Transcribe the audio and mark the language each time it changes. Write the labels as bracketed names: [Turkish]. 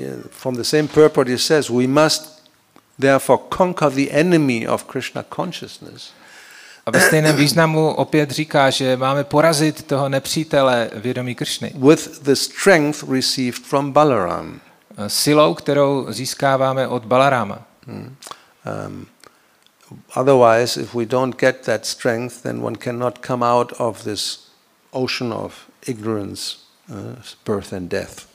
[English] From the same purport he says, we must therefore conquer the enemy of Krishna consciousness. [Czech] A ve stejném významu opět říká, že máme porazit toho nepřítele vědomí Krišny. [English] With the strength received from Balaram. [Czech] Silou, kterou získáváme od Balarama. [English] Otherwise, if we don't get that strength, then one cannot come out of this ocean of ignorance, birth and death.